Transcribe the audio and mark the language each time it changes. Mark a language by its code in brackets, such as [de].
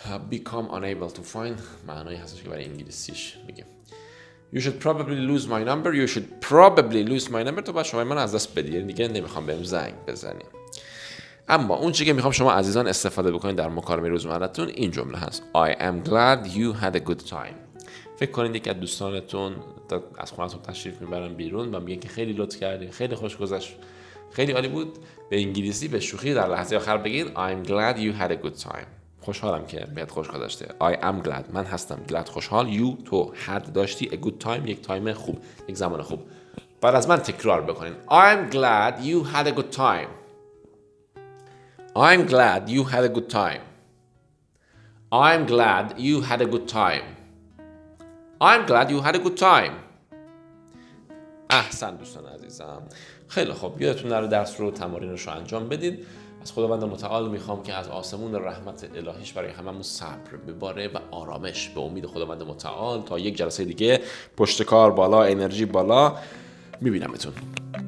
[en] Become unable to find [fa] معنایی هستش که برای انگلیسیش میگه. [en] You should probably lose my number. You should probably lose my number. [fa] تو باید شماره من از دست بدی، دیگه نمیخوام بهم زنگ بزنی. اما اون چیزی که میخوام شما عزیزان استفاده بکنید در مکالمه روزمرهتون این جمله هست. [en] I am glad you had a good time. [fa] فکر کنید یکی از دوستانتون از خونتون تشریف میبرن بیرون و میگه که خیلی لطف کردی، خیلی خوش گذشت، خیلی عالی بود. به انگلیسی به شوخی در لحظه آخر بگید [en] I am glad you had a good time. [fa] خوشحالم که بهت خوش گذشته. [en] I am glad، [fa] من هستم glad، خوشحال. You، تو، had، داشتی [en] a good time، [fa] یک تایم خوب، یک زمان خوب. بعد از من تکرار بکنین. [en] I am glad you had a good time. I am glad you had a good time. I am glad you had a good time. I am glad you had a good time. [fa] احسن دوستان عزیزم. خیلی خوب، یادتون نره درس رو، تمرینش رو انجام بدید. از خداوند متعال میخوام که از آسمون رحمت الهیش برای هممون صبر بباره و آرامش، به امید خداوند متعال. تا یک جلسه دیگه، پشت کار بالا، انرژی بالا، میبینمتون.